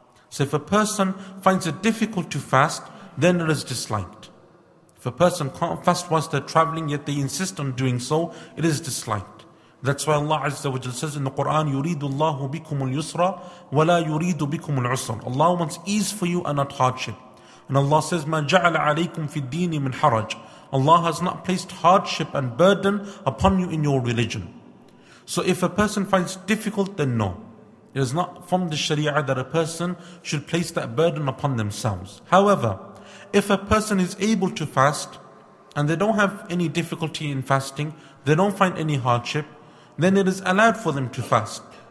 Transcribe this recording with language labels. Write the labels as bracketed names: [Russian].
[English] So if a person finds it difficult to fast, then it is disliked. If a person can't fast whilst they're traveling, yet they insist on doing so, it is disliked. That's why Allah Azza wa Jal says in the Quran, [Arabic] يُرِيدُ اللَّهُ بِكُمُ الْيُسْرَ وَلَا يُرِيدُ بِكُمُ الْعُسْرَ. [English] Allah wants ease for you and not hardship. And Allah says, [Arabic] مَا جَعَلَ عَلَيْكُمْ فِي الدِّينِ مِنْ حَرَجٍ. [English] Allah has not placed hardship and burden upon you in your religion. So if a person finds it difficult, then no. It is not from the Sharia that a person should place that burden upon themselves. However, if a person is able to fast, and they don't have any difficulty in fasting, they don't find any hardship, then it is allowed for them to fast.